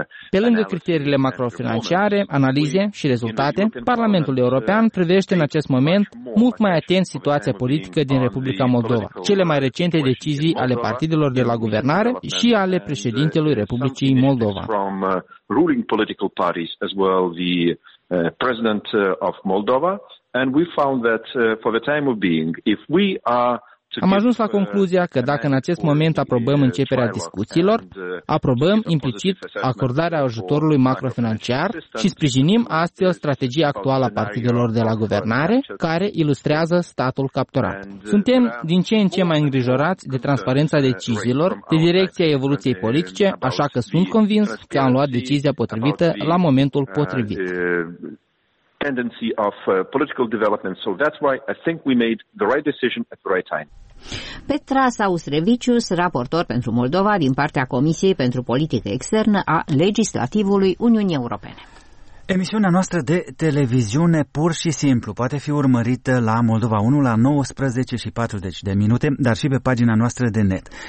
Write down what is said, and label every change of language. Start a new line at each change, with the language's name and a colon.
Romanian: Pe lângă criteriile macrofinanciare, analize și rezultate, Parlamentul European privește în acest moment mult mai atent situația politică din Republica Moldova, cele mai recente decizii ale partidelor de la guvernare și ale președintelui Republicii Moldova.
English: Ruling political parties as well the president of Moldova. And we found that for the time of being, if we are
Romanian: Am ajuns la concluzia că dacă în acest moment aprobăm începerea discuțiilor, aprobăm implicit acordarea ajutorului macrofinanciar și sprijinim astfel strategia actuală a partidelor de la guvernare, care ilustrează statul capturat. Suntem din ce în ce mai îngrijorați de transparența deciziilor, de direcția evoluției politice, așa că sunt convins că am luat decizia potrivită la momentul potrivit.
English: Tendency of political development, so that's why I think we made the right decision at the right time.
Romanian: Petra Saustrevicius, raportor pentru Moldova din partea Comisiei pentru Politică Externă a Legislativului Uniunii Europene. Emisiunea noastră de televiziune pur și simplu poate fi urmărită la Moldova 1 la 19:40 de minute, dar și pe pagina noastră de net.